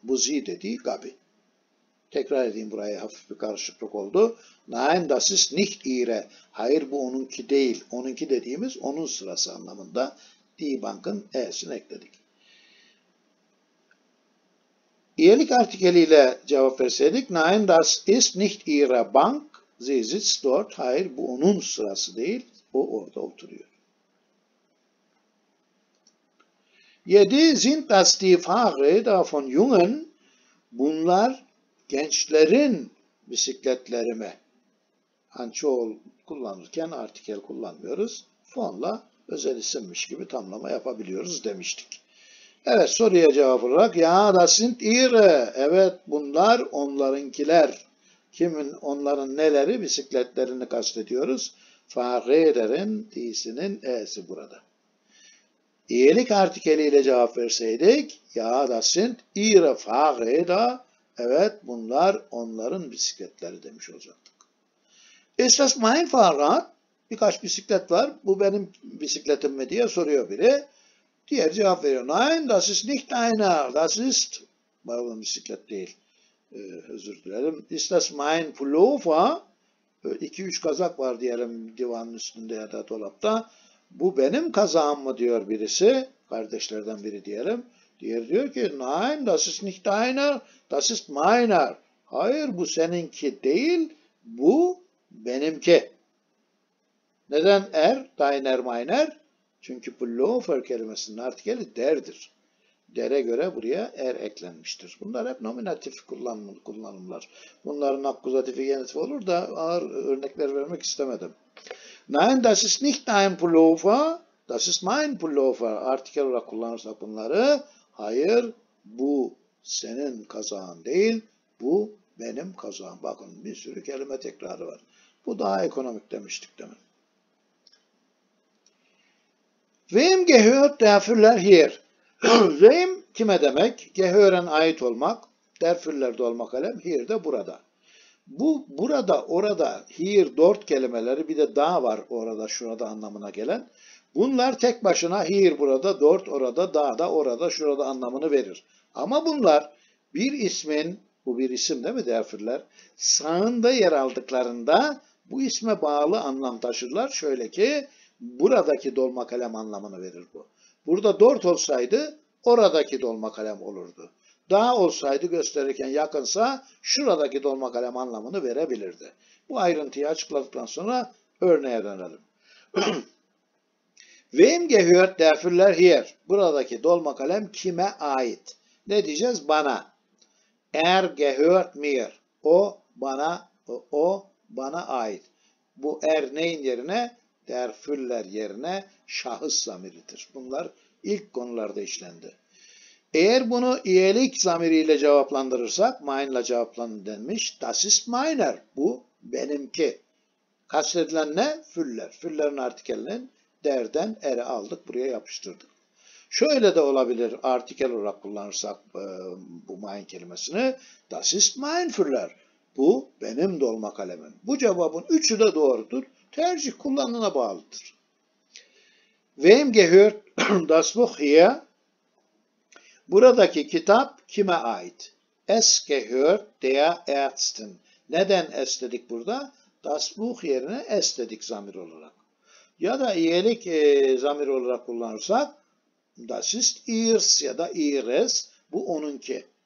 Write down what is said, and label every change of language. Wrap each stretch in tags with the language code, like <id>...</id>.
<tr>Bu sie dediği Gabi. Tekrar edeyim, buraya hafif bir karışıklık oldu.</tr> <de>Nein, das ist nicht ihre.</de> <tr>Hayır, bu onunki değil. Onunki dediğimiz onun sırası anlamında. Die Bank'ın e'sini ekledik. İyelik artikeliyle cevap verseydik.</tr> <de>Nein, das ist nicht ihre Bank. Sie sitzt dort.</de> <tr>Hayır, bu onun sırası değil. O orada oturuyor. 7.</tr> <de>Sind das die Fahrräder von Jungen?</de> <tr>Bunlar gençlerin bisikletleri mi? Hani çoğul kullanırken artikel kullanmıyoruz. Fonla özel isimmiş gibi tamlama yapabiliyoruz demiştik. Evet, soruya cevap olarak ya da</tr> <de>sind ihre.</de> <tr>Evet, bunlar onlarınkiler. Kimin, onların neleri, bisikletlerini kastediyoruz. Fahrräderin, D'sinin E'si burada. İyelik artikeliyle cevap verseydik ya da</tr> <de>sind ihre Fahrräder.</de> <tr>Evet, bunlar onların bisikletleri demiş olacaktık.</tr> <de>Ist das mein Fahrrad?</de> <tr>Birkaç bisiklet var. Bu benim bisikletim mi diye soruyor biri. Diğer cevap veriyor.</tr> <de>Nein, das ist nicht einer. Das ist,</de> <tr>bu bisiklet değil. Özür dilerim.</tr> <de>Ist das mein Pullover?</de> <tr>2-3 kazak var diyelim divanın üstünde ya da dolapta. Bu benim kazağım mı diyor birisi. Kardeşlerden biri diyelim. Diğer diyor ki,</tr> <de>nein, das ist nicht deiner, das ist meiner.</de> <tr>Hayır, bu seninki değil, bu benimki. Neden er, deiner, meiner? Çünkü bu loafer kelimesinin artikeli derdir. Dere göre buraya er eklenmiştir. Bunlar hep nominatif kullanımlar. Bunların akkuzatifi genitif olur da ağır örnekler vermek istemedim.</tr> <de>Nein, das ist nicht dein Pullover, das ist mein Pullover.</de> <tr>Artikel olarak kullanırsak bunları... Hayır, bu senin kazağın değil, bu benim kazağım. Bakın bir sürü kelime tekrarı var. Bu daha ekonomik demiştik demin.</tr> <de>Wem gehört der Füller hier?</de> <tr>Wem kime demek? Gehören ait olmak, der Füller'de olmak alem, hier de burada. Bu burada, orada, hier, dort kelimeleri, bir de daha var orada, şurada anlamına gelen. Bunlar tek başına hier, burada, dort, orada, dağda, orada, şurada anlamını verir. Ama bunlar bir ismin, bu bir isim değil mi derfirler, sağında yer aldıklarında bu isme bağlı anlam taşırlar. Şöyle ki, buradaki dolma kalem anlamını verir bu. Burada dort olsaydı, oradaki dolma kalem olurdu. Dağ olsaydı, gösterirken yakınsa, şuradaki dolma kalem anlamını verebilirdi. Bu ayrıntıyı açıkladıktan sonra örneğe dönelim.</tr> <de>Wem gehört der Füller hier?</de> <tr>Buradaki dolma kalem kime ait? Ne diyeceğiz? Bana.</tr> <de>Er gehört mir.</de> <tr>O bana, o bana ait. Bu er neyin yerine? Der Füller yerine şahıs zamiridir. Bunlar ilk konularda işlendi. Eğer bunu iyelik zamiriyle cevaplandırırsak, mein'la cevaplandırılmış.</tr> <de>Das ist meiner.</de> <tr>Bu benimki. Kastedilen ne? Füller. Füller'in artikelinin derden ere aldık, buraya yapıştırdık. Şöyle de olabilir, artikel olarak kullanırsak bu mein kelimesini.</tr> <de>Das ist mein Füller.</de> <tr>Bu benim dolma kalemim. Bu cevabın üçü de doğrudur. Tercih kullanımına bağlıdır.</tr> <de>Wem gehört das Buch hier?</de> <tr>Buradaki kitap kime ait?</tr> <de>Es gehört der Ärztin.</de> <tr>Neden es dedik burada? Das Buch yerine es dedik zamir olarak. Ya da iyelik zamir olarak kullanırsak</tr> <de>das ist ihres</de> <tr>ya da ihres, bu onunki.</tr>